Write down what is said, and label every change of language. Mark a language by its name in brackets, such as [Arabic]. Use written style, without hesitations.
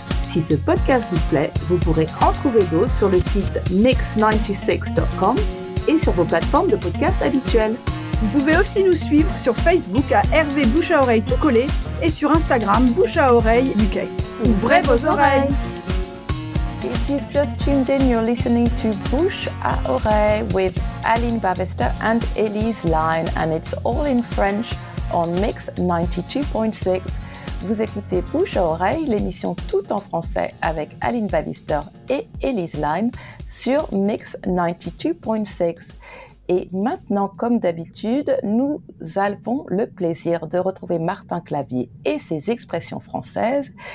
[French] Si ce podcast vous plaît, vous pourrez en trouver d'autres sur le site mix96.com et sur vos plateformes de podcast habituelles. Vous pouvez aussi nous suivre sur Facebook à Hervé Bouche à Oreille tout collé et sur Instagram Bouche à Oreille UK. Ouvrez vos oreilles! [English] If you've just tuned in, you're listening to Bouche à Oreille with Aline Bavister and Elise Line, and it's all in French on Mix 92.6. [French] Vous écoutez Bouche à Oreille, l'émission tout en français avec Aline Bavister et Elise Line sur Mix 92.6. Et maintenant, comme d'habitude, nous avons le plaisir de retrouver Martin Clavier et ses expressions françaises.